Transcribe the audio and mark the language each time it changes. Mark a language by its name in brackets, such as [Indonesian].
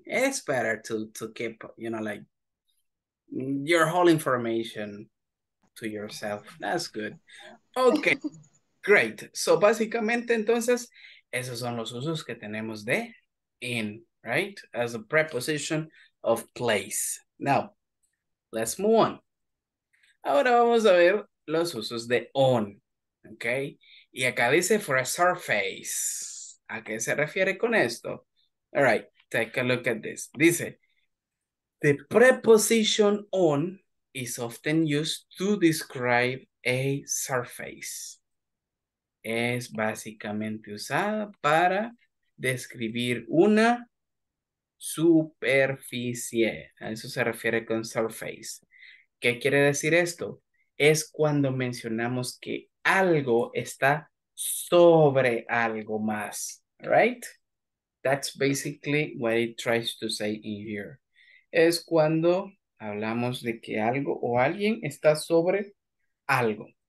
[English] It's better to keep, you know, like, your whole information to yourself. That's good. Okay. Great. [Spanish] So, básicamente, entonces, esos son los usos que tenemos de in, right? [English] As a preposition of place. Now, let's move on. [Spanish] Ahora vamos a ver los usos de on, okay? Y acá dice [English] for a surface. [Spanish] ¿A qué se refiere con esto? [English] All right, take a look at this. Dice, the preposition on is often used to describe a surface. [Spanish] Es básicamente usada para describir una superficie. A eso se refiere con surface. ¿Qué quiere decir esto? Es cuando mencionamos que algo está sobre algo más, right? [English] That's basically what it tries to say in here. [Spanish] Es cuando hablamos de que algo o alguien está sobre algo.